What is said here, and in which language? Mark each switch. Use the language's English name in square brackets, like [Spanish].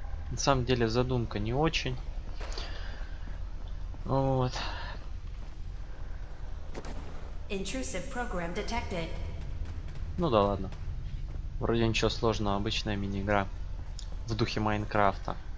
[Russian] На самом деле задумка не очень. Вот. [English] Intrusive program detected. [Russian] Ну да ладно. Вроде ничего сложного, обычная мини-игра в духе Майнкрафта.